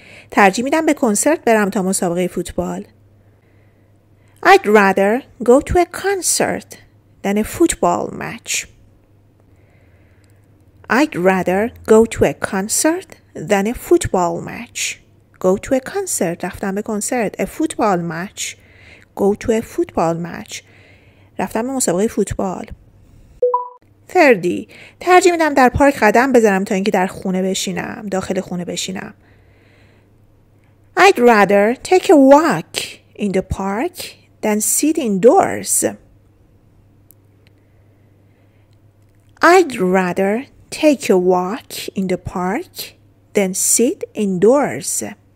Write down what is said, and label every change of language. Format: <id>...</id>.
<fa>ترجیح میدم به کنسرت برم تا مسابقه فوتبال.</fa> <en>I'd rather go to a concert than a football match. I'd rather go to a concert than a football match. Go to a concert,</en> <fa>رفتم به کنسرت.</fa> <en>A football match. Go to a football match.</en> <fa>رفتم به مسابقه فوتبال. 30. ترجیح میدم در پارک قدم بزنم تا اینکه در خونه بشینم. داخل خونه بشینم.</fa> <en>I'd rather take a walk in the park than sit indoors. I'd rather take a walk in the park than sit indoors.</en>